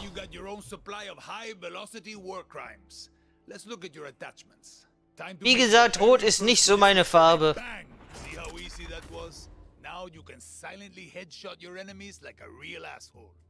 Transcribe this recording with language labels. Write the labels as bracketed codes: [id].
[en] You got your own supply of high velocity war crimes. Let's look at your attachments. Time to. [de] Wie gesagt, rot ist nicht so meine Farbe. [en] Bang. See how easy that was? Now you can silently headshot your enemies like a real asshole.